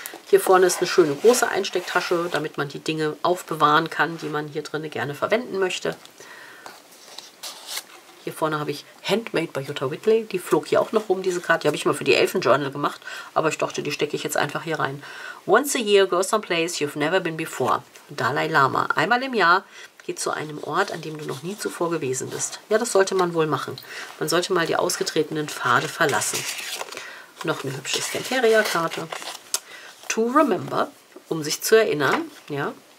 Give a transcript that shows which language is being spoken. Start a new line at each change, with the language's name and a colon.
German: Hier vorne ist eine schöne große Einstecktasche, damit man die Dinge aufbewahren kann, die man hier drin gerne verwenden möchte. Hier vorne habe ich Handmade by Jutta Whitley. Die flog hier auch noch rum, diese Karte. Die habe ich mal für die Elfenjournal gemacht, aber ich dachte, die stecke ich jetzt einfach hier rein.
English: Once a year, go someplace you've never been before. Dalai Lama.
German: Einmal im Jahr geht zu einem Ort, an dem du noch nie zuvor gewesen bist. Ja, das sollte man wohl machen. Man sollte mal die ausgetretenen Pfade verlassen. Noch eine hübsche Scanteria-Karte.
English: To remember,
German: um sich zu erinnern, ja.